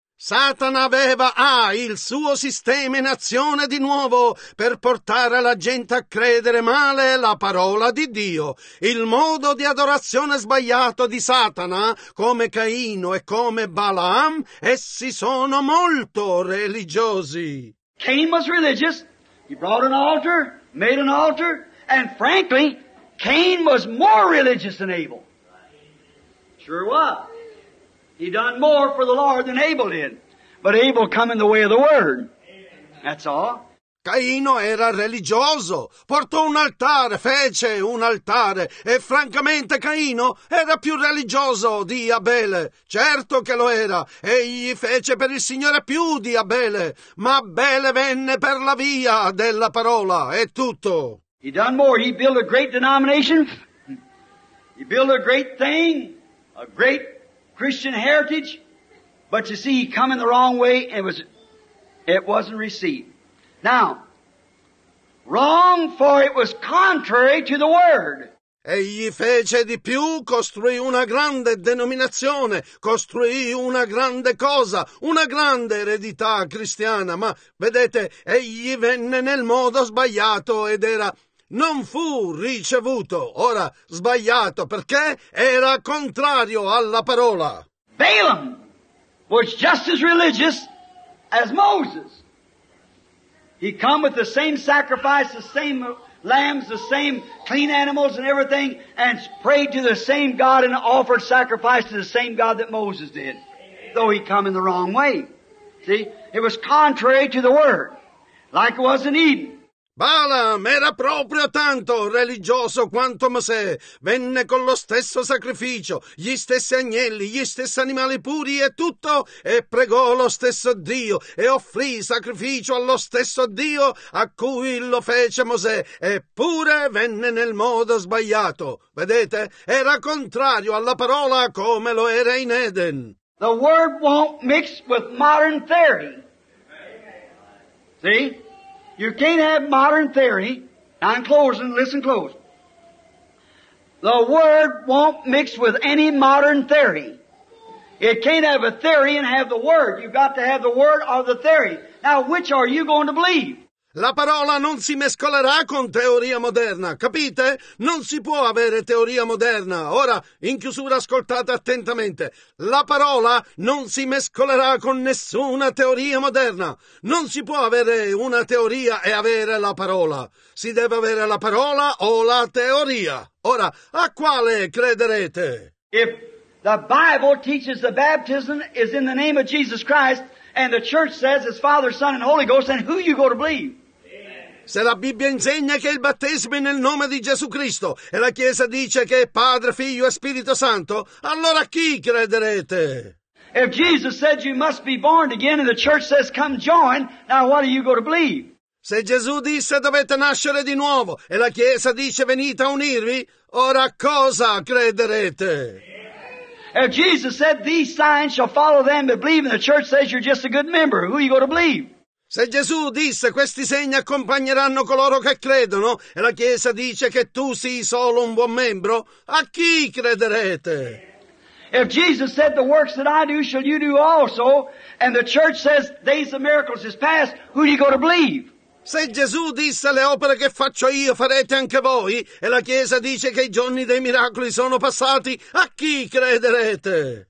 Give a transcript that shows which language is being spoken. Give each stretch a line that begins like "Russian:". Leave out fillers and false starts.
Italian: Satana aveva il suo sistema in azione di nuovo per portare la gente a credere male la parola di Dio. Il modo di adorazione sbagliato di Satana, come Caino e come Balaam, essi sono molto religiosi.
English: Cain was religious. He brought an altar, made an altar, and frankly, Cain was more religious than Abel. Sure was. He done more for the Lord than Abel did. But Abel come in the way of the word. That's all.
Italian: Caino era religioso. Portò un altare, fece un altare. E francamente Caino era più religioso di Abele. Certo che lo era. Egli fece per il Signore più di Abele. Ma Abele venne per la via della parola. È tutto.
English: He done more. He built a great denomination. He built a great thing. A great Christian heritage, but you see, he come in the wrong way, and it wasn't received. Now, wrong, for it was contrary to the word.
Italian: Egli fece di più, costruì una grande denominazione, costruì una grande cosa, una grande eredità cristiana, ma vedete, egli venne nel modo sbagliato ed era... Non fu ricevuto, ora sbagliato, perché era contrario alla parola.
English: Balaam was just as religious as Moses. He come with the same sacrifice, the same lambs, the same clean animals and everything, and prayed to the same God and offered sacrifice to the same God that Moses did, though he come in the wrong way. See, it was contrary to the word, like it was in Eden.
Italian: Balaam era proprio tanto religioso quanto Mosè. Venne con lo stesso sacrificio, gli stessi agnelli, gli stessi animali puri e tutto, e pregò lo stesso Dio e offrì sacrificio allo stesso Dio a cui lo fece Mosè. Eppure venne nel modo sbagliato. Vedete? Era contrario alla parola come lo era in Eden.
English: The word won't mix with modern theory. See? You can't have modern theory. I'm closing. Listen close. The word won't mix with any modern theory. It can't have a theory and have the word. You've got to have the word or the theory. Now, which are you going to believe?
Italian: La parola non si mescolerà con teoria moderna, capite? Non si può avere teoria moderna. Ora, in chiusura, ascoltate attentamente. La parola non si mescolerà con nessuna teoria moderna. Non si può avere una teoria e avere la parola. Si deve avere la parola o la teoria. Ora, a quale crederete?
English: If the Bible teaches the baptism is in the name of Jesus Christ, and the church says it's Father, Son, and Holy Ghost, then who are you going to believe?
Italian: Se la Bibbia insegna che il battesimo è nel nome di Gesù Cristo e la Chiesa dice che è Padre, Figlio e Spirito Santo, allora a chi crederete?
English: If Jesus said you must be born again and the church says come join, now what are you going to believe?
Italian: Se Gesù disse dovete nascere di nuovo e la Chiesa dice venite a unirvi, ora a cosa crederete?
English: If Jesus said these signs shall follow them that believe, and the church says you're just a good member, who are you going to believe?
Italian: Se Gesù disse questi segni accompagneranno coloro che credono e la Chiesa dice che tu sii solo un buon membro, a chi crederete?
English: If Jesus said the works that I do shall you do also, and the church says days of miracles is past, who are you going to believe?
Italian: Se Gesù disse le opere che faccio io farete anche voi e la Chiesa dice che i giorni dei miracoli sono passati, a chi crederete?